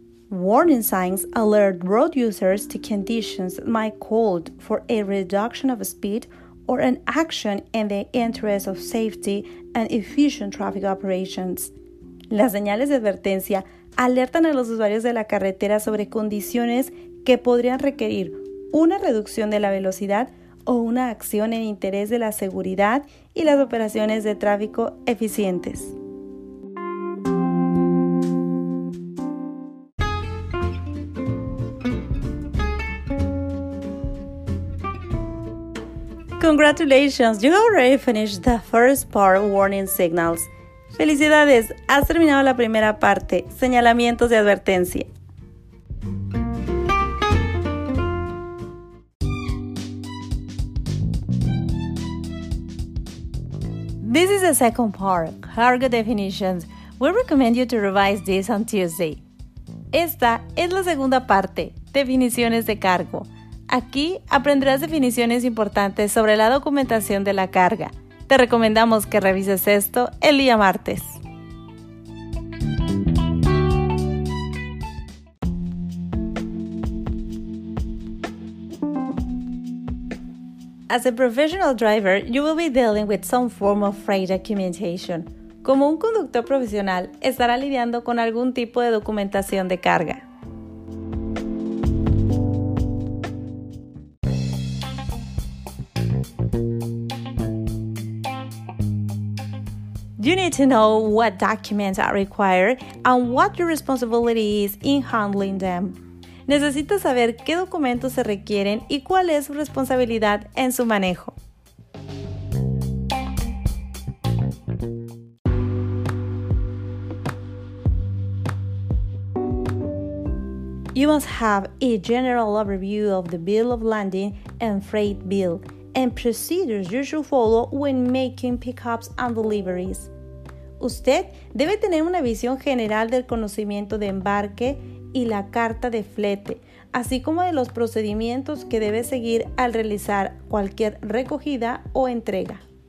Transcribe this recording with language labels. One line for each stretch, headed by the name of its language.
English: Warning signs alert road users to conditions that might call for a reduction of speed or an action in the interest of safety and efficient traffic operations.
Spanish: Las señales de advertencia alertan a los usuarios de la carretera sobre condiciones que podrían requerir una reducción de la velocidad o una acción en interés de la seguridad y las operaciones de tráfico eficientes.
English: Congratulations, you have already finished the first part of warning signals.
Spanish: Felicidades, has terminado la primera parte, señalamientos de advertencia.
English: This is the second part, cargo definitions. We recommend you to revise this on Tuesday.
Spanish: Esta es la segunda parte, definiciones de cargo. Aquí aprenderás definiciones importantes sobre la documentación de la carga. Te recomendamos que revises esto el día martes.
English: As a professional driver, you will be dealing with some form of freight documentation.
Spanish: Como un conductor profesional, estará lidiando con algún tipo de documentación de carga.
English: You need to know what documents are required and what your responsibility is in handling them.
Spanish: Necesitas saber qué documentos se requieren y cuál es su responsabilidad en su manejo.
English: You must have a general overview of the bill of lading and freight bill and procedures you should follow when making pickups and deliveries.
Spanish: Usted debe tener una visión general del conocimiento de embarque y la carta de flete, así como de los procedimientos que debe seguir al realizar cualquier recogida o entrega.